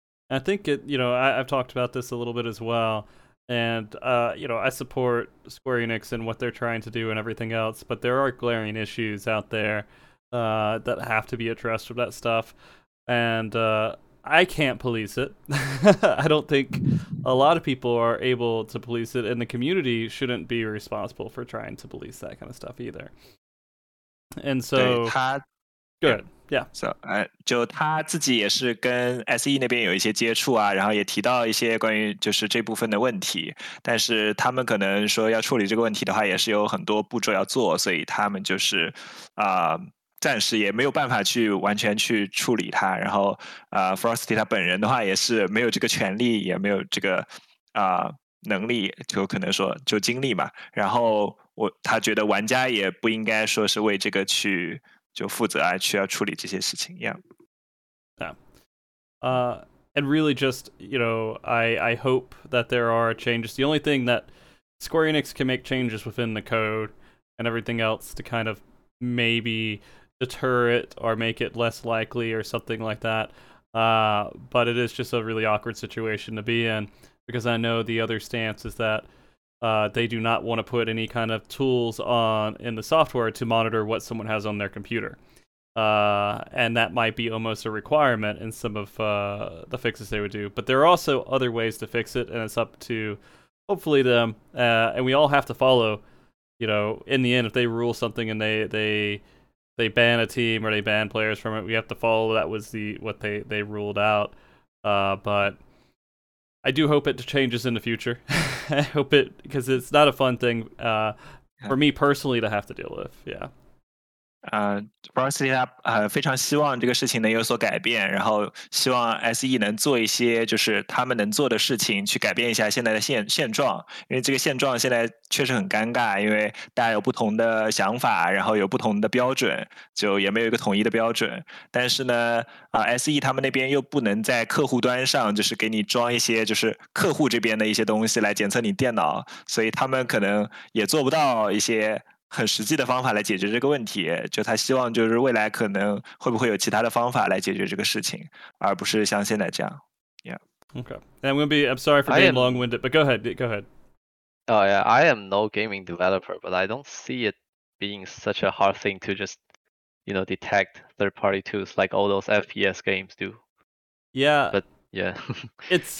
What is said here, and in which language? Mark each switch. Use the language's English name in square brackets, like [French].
[English] I think it, you know, I've talked about this a little bit as well. And, you know, I support Square Enix and what they're trying to do and everything else, but there are glaring issues out there that have to be addressed with that stuff. And I can't police it. I don't think a lot of people are able to police it, and the community shouldn't be responsible for trying to police that kind of stuff either. And so... Good. Yeah. [Chinese] So, 就他自己也是跟 SE 那边有一些接触啊，然后也提到一些关于就是这部分的问题，但是他们可能说要处理这个问题的话，也是有很多步骤要做，所以他们就是暂时也没有办法去完全去处理它。然后Frosty 他本人的话也是没有这个权利，也没有这个能力，就可能说就精力嘛。然后他觉得玩家也不应该说是为这个去。就负责啊，需要处理这些事情。 [English] Yeah. Yeah. And really just, you know, I hope that there are changes. The only thing that Square Enix can make changes within the code and everything else to kind of maybe deter it or make it less likely or something like that. But it is just a really awkward situation to be in, because I know the other stance is that they do not want to put any kind of tools on in the software to monitor what someone has on their computer. And that might be almost a requirement in some of the fixes they would do. But there are also other ways to fix it, and it's up to, hopefully, them. And we all have to follow, you know, in the end, if they rule something and they ban a team or they ban players from it, we have to follow that was what they ruled out. But... I do hope it changes in the future. I hope it, because it's not a fun thing for me personally to have to deal with. Yeah. [Chinese] Frosty 他非常希望这个事情能有所改变，然后希望 SE 能做一些就是他们能做的事情去改变一下现在的现状，因为这个现状现在确实很尴尬，因为大家有不同的想法，然后有不同的标准，就也没有一个统一的标准。但是呢，SE 他们那边又不能在客户端上就是给你装一些就是客户这边的一些东西来检测你电脑，所以他们可能也做不到一些很实际的方法来解决这个问题，就他希望就是未来可能会不会有其他的方法来解决这个事情，而不是像现在这样。 [English] Yeah. Okay. I'm gonna be. I'm sorry for being long-winded, but go ahead. Go ahead. Oh yeah, I am no gaming developer, but I don't see it being such a hard thing to just, you know, detect third-party tools like all those FPS games do. Yeah. But yeah, it's